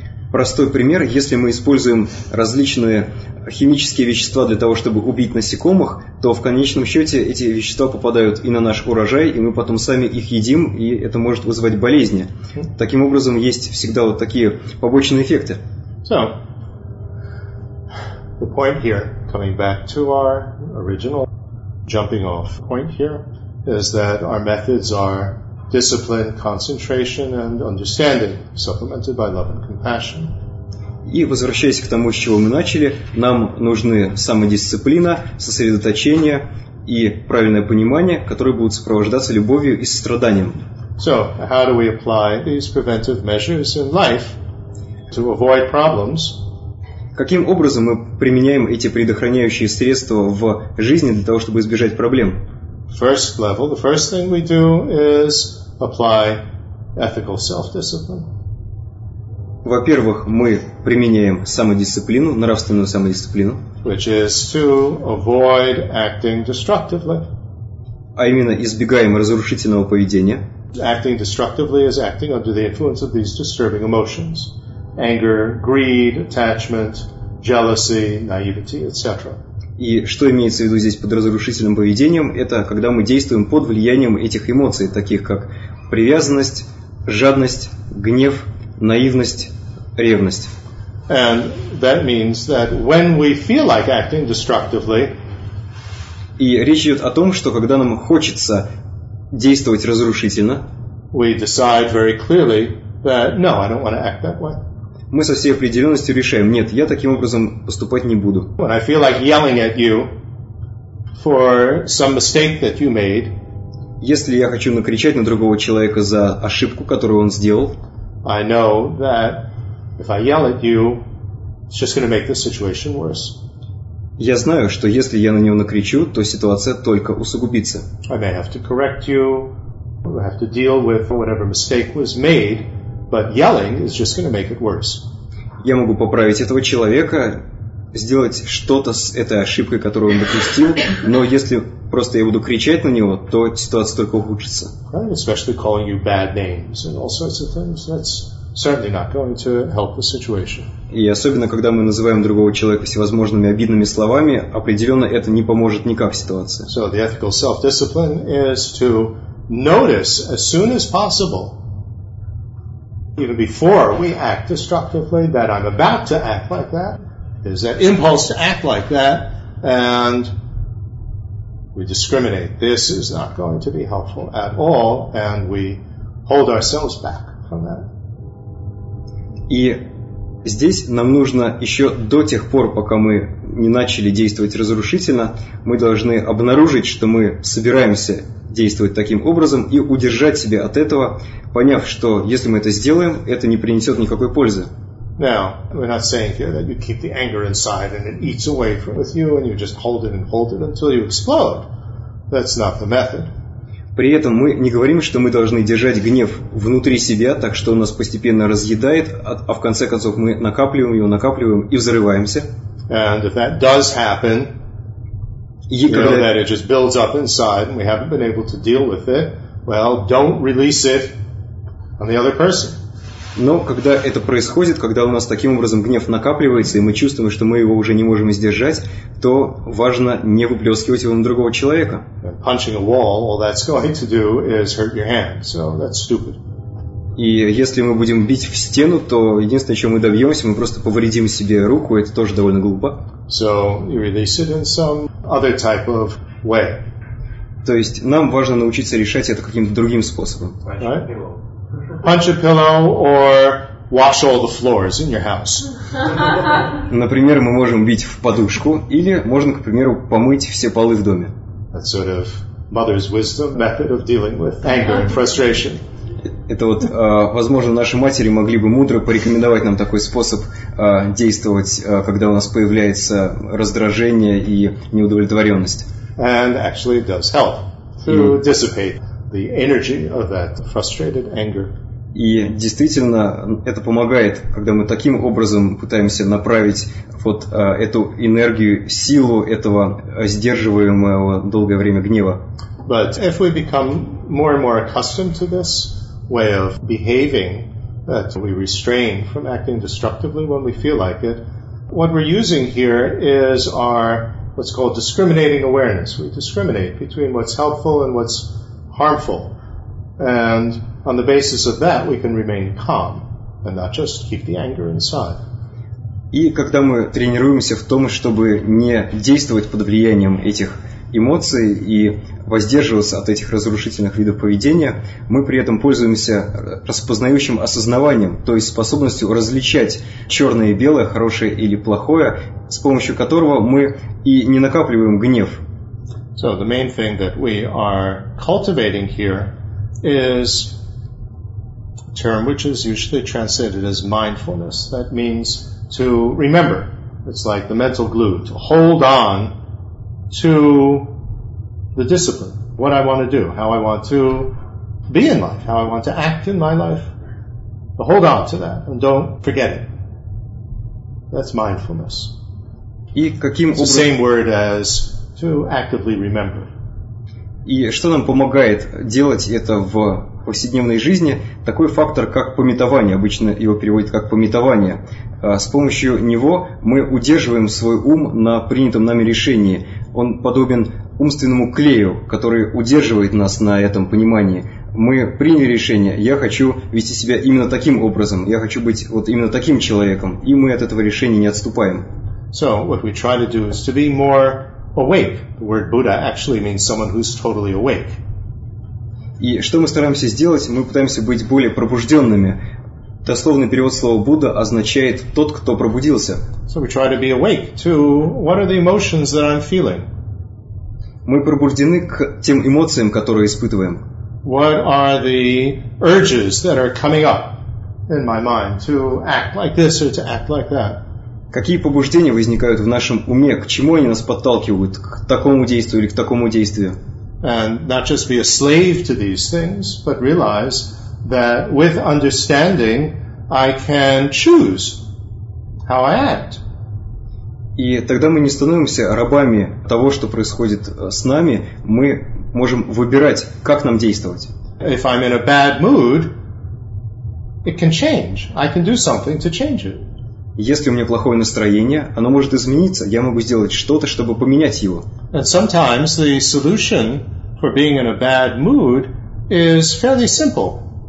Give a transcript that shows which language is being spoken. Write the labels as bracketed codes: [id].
[ru] Простой пример, если мы используем различные химические вещества для того, чтобы убить насекомых, то в конечном счете эти вещества попадают и на наш урожай, и мы потом сами их едим, и это может вызывать болезни. Таким образом, есть всегда вот такие побочные эффекты. [en] So, the point here, coming back to our original jumping off point here, is that our methods are discipline, concentration, and understanding, supplemented by love and compassion. [ru] И возвращаясь к тому, с чего мы начали, нам нужны самодисциплина, сосредоточение и правильное понимание, которые будут сопровождаться любовью и состраданием. [en] So, how do we apply these preventive measures in life to avoid problems? [ru] Каким образом мы применяем эти предохраняющие средства в жизни для того, чтобы избежать проблем? [en] First level, the first thing we do is apply ethical self-discipline. [ru] Во-первых, мы применяем самодисциплину, нравственную самодисциплину, [en] which is to avoid acting destructively. [ru] А именно избегаем разрушительного поведения. [en] Acting destructively is acting under the influence of these disturbing emotions: anger, greed, attachment, jealousy, naivety, etc. [ru] И что имеется в виду здесь под разрушительным поведением, это когда мы действуем под влиянием этих эмоций, таких как привязанность, жадность, гнев, наивность, ревность. [en] And that means that when we feel like acting destructively, [ru] и речь идет о том, что когда нам хочется действовать разрушительно, [en] we decide very clearly that no, I don't want to act that way. [ru] Мы со всей определенностью решаем: нет, я таким образом поступать не буду. [en] When I feel like yelling at you for some mistake that you made, [ru] если я хочу накричать на другого человека за ошибку, которую он сделал, [en] I know that if I yell at you, it's just going to make the situation worse. [ru] Я знаю, что если я на него накричу, то ситуация только усугубится. [en] I may have to correct you, or have to deal with whatever mistake was made, but yelling is just going to make it worse. [ru] Я могу поправить этого человека, сделать что-то с этой ошибкой, которую он допустил, но если просто я буду кричать на него, то ситуация только ухудшится. [en] Right, especially calling you bad names and all sorts of things. That's certainly not going to help the situation. [ru] И особенно, когда мы называем другого человека всевозможными обидными словами, определенно это не поможет никак ситуации. [en] So the ethical self-discipline is to notice as soon as possible, even before we act destructively, that I'm about to act like that. There's that impulse to act like that, and we discriminate. This is not going to be helpful at all, and we hold ourselves back from that. [ru] И здесь нам нужно еще до тех пор, пока мы не начали действовать разрушительно, мы должны обнаружить, что мы собираемся действовать таким образом, и удержать себя от этого, поняв, что если мы это сделаем, это не принесет никакой пользы. [en] Now, we're not saying here that you keep the anger inside and it eats away from with you and you just hold it and hold it until you explode. That's not the method. [ru] При этом мы не говорим, что мы должны держать гнев внутри себя, так что он нас постепенно разъедает, а в конце концов мы накапливаем его, накапливаем и взрываемся. [en] And if that does happen, you know that it just builds up inside and we haven't been able to deal with it, well, don't release it on the other person. [ru] Но когда это происходит, когда у нас таким образом гнев накапливается, и мы чувствуем, что мы его уже не можем сдержать, то важно не выплескивать его на другого человека. [en] Punching a wall, all that's going to do is hurt your hand, so that's stupid. [ru] И если мы будем бить в стену, то единственное, чего мы добьемся, мы просто повредим себе руку, это тоже довольно глупо. [en] So you release it in some other type of way. То есть нам важно научиться решать это каким-то другим способом. Right? Punch a pillow or wash all the floors in your house. [ru] Например, мы можем бить в подушку или можно, к примеру, помыть все полы в доме. [en] That's sort of mother's wisdom method of dealing with anger and frustration. [ru] Это вот, возможно, наши матери могли бы мудро порекомендовать нам такой способ действовать, когда у нас появляется раздражение и неудовлетворенность. [en] And actually it does help to dissipate the energy of that frustrated anger. [ru] И действительно, это помогает, когда мы таким образом пытаемся направить вот эту энергию, силу этого сдерживаемого долгое время гнева. [en] But if we become more and more accustomed to this way of behaving, that we restrain from acting destructively when we feel like it, what we're using here is our what's called discriminating awareness. We discriminate between what's helpful and what's harmful. And on the basis of that, we can remain calm and not just keep the anger inside. [ru] И когда мы тренируемся в том, чтобы не действовать под влиянием этих эмоций и воздерживаться от этих разрушительных видов поведения, мы при этом пользуемся распознающим осознаванием, то есть способностью различать черное и белое, хорошее или плохое, с помощью которого мы и не накапливаем гнев. [en] So the main thing that we are cultivating here is a term which is usually translated as mindfulness. That means to remember. It's like the mental glue, to hold on to the discipline, what I want to do, how I want to be in life, how I want to act in my life. But hold on to that and don't forget it. That's mindfulness. It's the same word as to actively remember. [ru] И что нам помогает делать это в повседневной жизни? Такой фактор, как памятование. Обычно его переводят как памятование. с помощью него мы удерживаем свой ум на принятом нами решении. Он подобен умственному клею, который удерживает нас на этом понимании. Мы приняли решение, я хочу вести себя именно таким образом, я хочу быть вот именно таким человеком, и мы от этого решения не отступаем. [en] So, what we try to do is to be more awake. The word Buddha actually means someone who's totally awake. [ru] И что мы стараемся сделать? Мы пытаемся быть более пробужденными. Дословный перевод слова Будда означает тот, кто пробудился. [en] So we try to be awake to what are the emotions that I'm feeling? [ru] Мы пробуждены к тем эмоциям, которые испытываем. [en] What are the urges that are coming up in my mind to act like this or to act like that? [ru] Какие побуждения возникают в нашем уме? К чему они нас подталкивают? К такому действию или к такому действию? [en] And not just be a slave to these things, but realize that with understanding, I can choose how I act. [ru] И тогда мы не становимся рабами того, что происходит с нами. Мы можем выбирать, как нам действовать. [en] If I'm in a bad mood, it can change. I can do something to change it. [ru] Если у меня плохое настроение, оно может измениться. Я могу сделать что-то, чтобы поменять его. [en] And sometimes the solution for being in a bad mood is fairly simple.